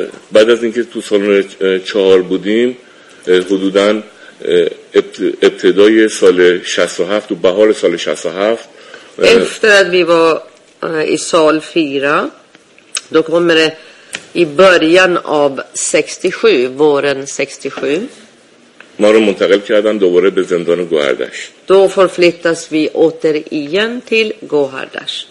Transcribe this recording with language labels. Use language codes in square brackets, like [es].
[fa] بعد از اینکه تو سالن 4 بودیم حدوداً ابتدای سال 67 و بهار سال 67 [sv] efter att vi var i sal 4 då kommer det i början av 67 våren 67 [fa] ما رو منتقل کردن دوباره به زندان گوهردشت. [sv] Då förflyttas vi återigen till Guardasht.